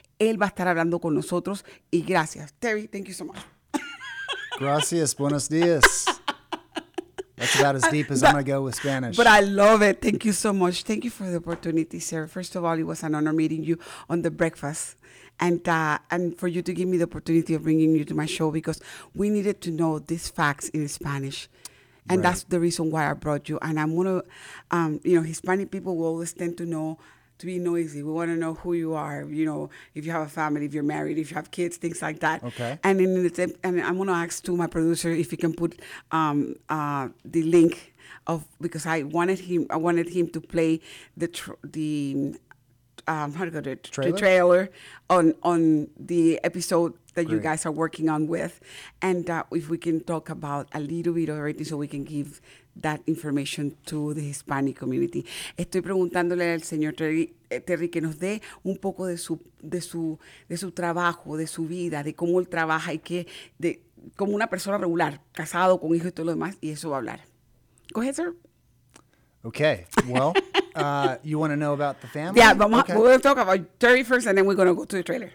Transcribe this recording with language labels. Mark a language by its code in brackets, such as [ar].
[es] Él va a estar hablando con nosotros y gracias. [en] Terry, thank you so much. [es] Gracias, buenos días. [en] That's about as deep as I'm going to go with Spanish. But I love it. Thank you so much. Thank you for the opportunity, sir. First of all, it was an honor meeting you on the breakfast and for you to give me the opportunity of bringing you to my show, because we needed to know these facts in Spanish. And right. That's the reason why I brought you. And I'm going to, Hispanic people will always tend to know, to be noisy. We want to know who you are, you know, if you have a family, if you're married, if you have kids, things like that. Okay. And I'm going to ask to my producer if he can put the link of, because I wanted him to play the trailer on the episode that Great. You guys are working on with, and if we can talk about a little bit of everything so we can give that information to the Hispanic community. [es] Estoy preguntándole al señor Terry que nos dé un poco de su trabajo, de su vida, de cómo él trabaja y que de como una persona regular, casado, con hijos y todo lo demás, y eso va a hablar. [en] Go ahead, sir. Okay. Well, you want to know about the family? Yeah, but we're going to talk about Terry first, and then we're going to go to the trailer.